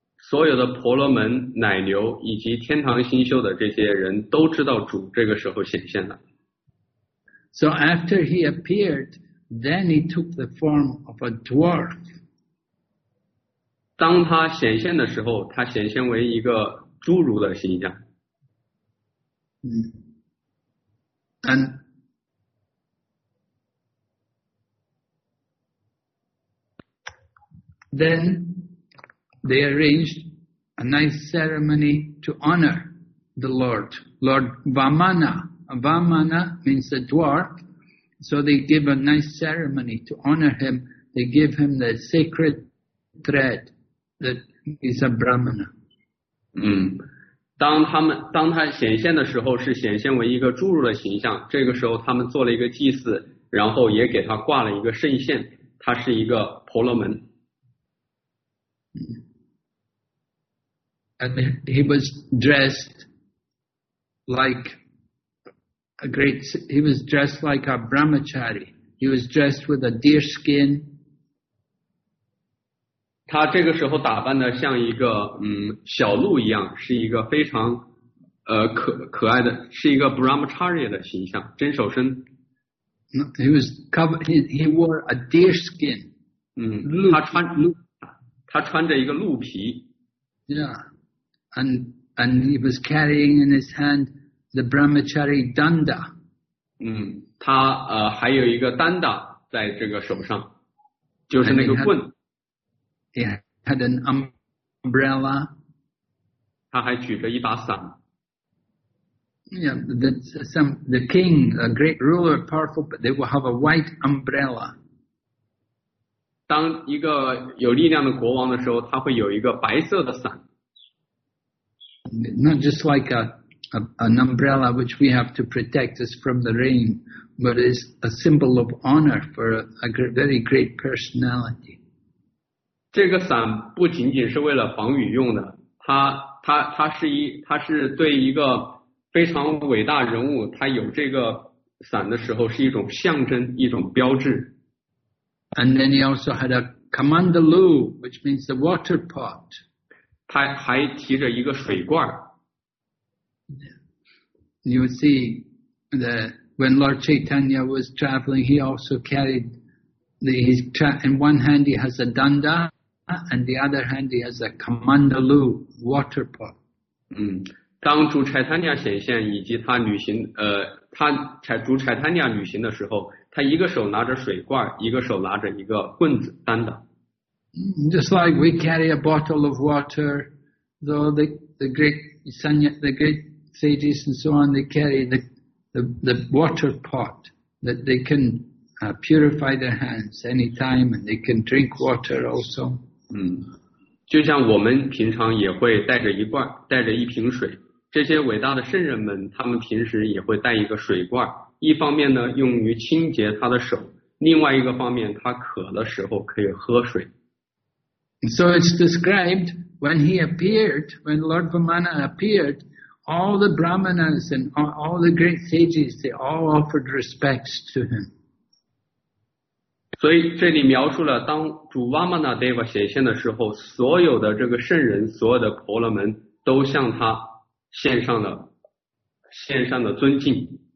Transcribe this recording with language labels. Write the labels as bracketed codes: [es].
[zh] 所有的婆罗门、奶牛以及天堂星宿的这些人都知道主这个时候显现了。 [en] So after he appeared, then he took the form of a dwarf. [zh] 当他显现的时候，他显现为一个侏儒的形象。 [en] And then they arranged a nice ceremony to honor the Lord. Lord Vamana. Vamana means the dwarf. So they give a nice ceremony to honor him. They give him the sacred thread that is a Brahmana. [zh] 当他显现的时候，是显现为一个侏儒的形象。这个时候，他们做了一个祭祀，然后也给他挂了一个圣线。他是一个婆罗门。 [en] And he was dressed like a great. He was dressed like a brahmachari. He was dressed with a deer skin. [zh] 他这个时候打扮的像一个小鹿一样，是一个非常可爱的，是一个 brahmachari 的形象，真守身。 [en] He was covered. He wore a deer skin. [zh] 他穿着一个鹿皮。 [en] Yeah, and he was carrying in his hand the brahmachari danda. [zh] 他还有一个丹达在这个手上，就是那个棍。 [en] He had an umbrella. [zh] 他还举着一把伞。 [en] Yeah, the king, a great ruler, powerful, but they will have a white umbrella. [zh] 当一个有力量的国王的时候，他会有一个白色的伞。 [en] Not just like an umbrella which we have to protect us from the rain, but it's a symbol of honor for a very great personality. [zh] 这个伞不仅仅是为了防雨用的，它是对一个非常伟大人物，他有这个伞的时候是一种象征，一种标志。 [en] And then he also had a kamandalu, which means the water pot. [zh] 他还提着一个水罐。 [en] You see that when Lord Chaitanya was traveling, he also carried in one hand he has a danda. And the other hand, he has a kamandalu water pot. [zh] 当主柴坦尼亚显现以及他旅行，主柴坦尼亚旅行的时候，他一个手拿着水罐，一个手拿着一个棍子担的。 [en] Just like we carry a bottle of water, though the great sages and so on, they carry the water pot that they can purify their hands anytime, and they can drink water also. [zh] 就像我们平常也会带着一瓶水，这些伟大的圣人们，他们平时也会带一个水罐，一方面呢用于清洁他的手，另外一个方面他渴的时候可以喝水。 [en] So it's described when he appeared, when Lord Vamana appeared, all the brahmanas and all the great sages, they all offered respects to him. [zh] 所以这里描述了当主 Vamana Deva 显现的时候，所有的这个圣人，所有的婆罗门都向他献上了尊敬。